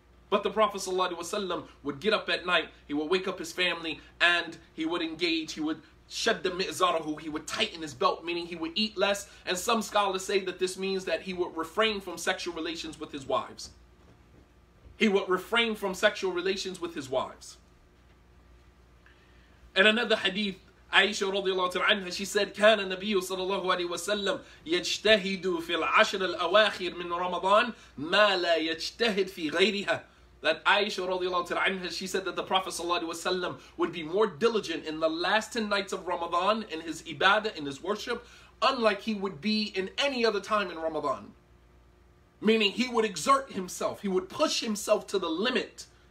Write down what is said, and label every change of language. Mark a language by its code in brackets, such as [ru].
[en] But the Prophet sallallahu alaihi wasallam would get up at night, he would wake up his family, and he would engage, he would shed the mi'zarahu, he would tighten his belt, meaning he would eat less. And some scholars say that this means that he would refrain from sexual relations with his wives. He would refrain from sexual relations with his wives. In another hadith, [ar] Aisha radiallahu ta'ala anha, [en] she said, [ar] كان النبي صلى الله عليه وسلم يجتهد في العشر الأواخر من رمضان ما لا يجتهد في غيرها. [en] That Aisha radiallahu ta'ala anha, she said that the Prophet صلى الله عليه وسلم would be more diligent in the last 10 nights of Ramadan in his ibadah, in his worship, unlike he would be in any other time in Ramadan. Meaning he would exert himself. He would push himself to the limit.